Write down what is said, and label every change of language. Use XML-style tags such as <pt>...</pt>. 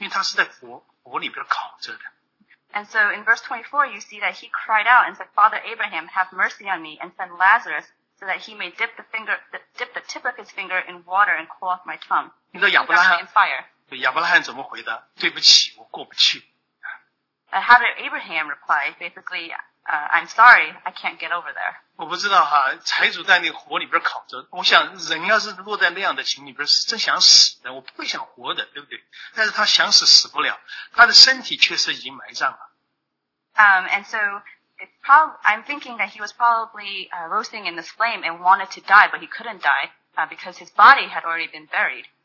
<zh>你看二十世纪这样说哈，他是哭喊着对亚伯拉罕说，他说可怜我吧，打发那个拿撒路来蘸指尖蘸点水来凉凉他的舌头，因为他是在火里边烤着的。</zh> <en>And so in verse 24, you see that he cried out and said, Father Abraham, have mercy on me and send Lazarus so that he may dip the tip of his finger in water and cool off my tongue.</en> <zh>你知道亚伯拉罕？亚伯拉罕怎么回答？对不起，我过不去。</zh> <en>How did Abraham reply? Basically, I'm sorry, I can't get over there.</en> <zh>我不知道哈，财主在那个火里边烤着。我想人要是落在那样的情里边，是真想死的，我不会想活的，对不对？但是他想死，死不了。他的身体确实已经埋葬了。</zh> <en>And so, I'm thinking that he was probably roasting in this flame and wanted to die, but he couldn't die. Because his body had already been buried.</en>